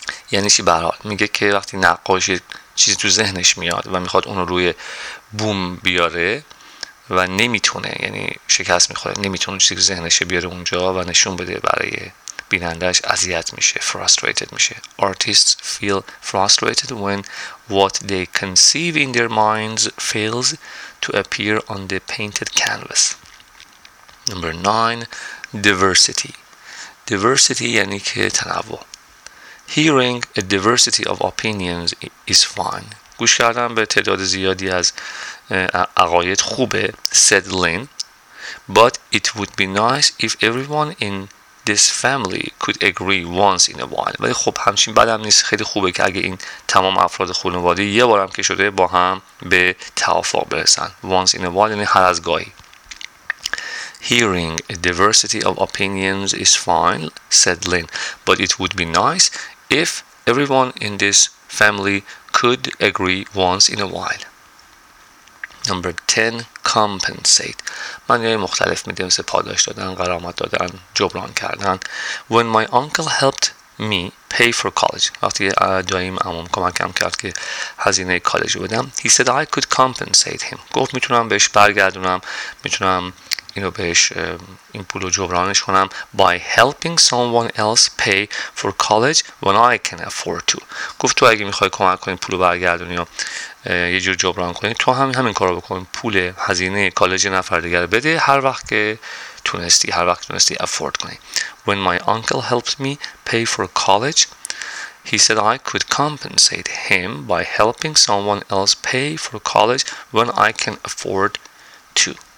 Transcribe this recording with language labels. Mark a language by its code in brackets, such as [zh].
[fa] یعنی چی؟ برحال میگه که وقتی نقاش چیزی تو ذهنش میاد و میخواد اونو روی بوم بیاره و نمیتونه، یعنی شکست میخوره، نمیتونه چیزی تو ذهنش بیاره اونجا و نشون بده برای بینندهش، اذیت میشه، frustrated میشه. [en] Artists feel frustrated when what they conceive in their minds fails to appear on the painted canvas. Number 9. Diversity. Diversity [fa] یعنی که تنوع. [en] Hearing a diversity of opinions is fine. [fa] گوش کردن به تعداد زیادی از عقاید خوبه، [en] said Lynn. But it would be nice if everyone in this family could agree once in a while. [fa] ولی خب همچین بدم نیست، خیلی خوبه که اگه این تمام افراد خانواده یه بارم که شده با هم به توافق برسن. [en] Once in a while [fa] یعنی هر از گاهی. [en] Hearing a diversity of opinions is fine, said Lynn, but it would be nice if everyone in this family could agree once in a while. Number 10, compensate. [fa] معنی‌های مختلف میده، مثل پاداش دادن، غرامت دادن، جبران کردن. [en] When my uncle helped me pay for college. [fa] وقتی دایم عموم کمکم کرد که هزینه کالج بدم. [en] He said I could compensate him. [fa] گفت میتونم بهش برگردونم، میتونم اینو بهش، این پول رو جبرانش کنم. [en] By helping someone else pay for college when I can afford to. [fa] گفت تو اگه میخوای کمک کنی پول رو برگردونی و یه جور جبران کنی، تو همین کار رو بکن، پول هزینه کالج نفر دیگر بده هر وقت که تونستی، هر وقت تونستی افورد کنی. [en] When my uncle helped me pay for college He said I could compensate him by helping someone else pay for college when I can afford to.